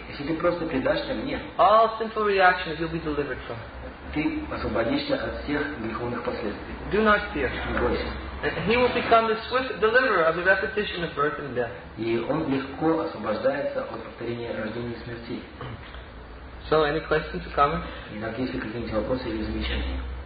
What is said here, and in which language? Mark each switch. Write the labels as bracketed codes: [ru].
[ru] если ты просто предашься мне, [en] all sinful reactions you'll be delivered from. [ru] Ты освободишься от всех греховных последствий. [en] Do not fear. [ru] Не бойся. [en] And he will become the swift deliverer of the repetition of birth and death. [ru] И он легко освобождается от повторения рождения и смерти. [en] So, any questions or comments? [ru] Иногда есть какие-нибудь вопросы или замечания?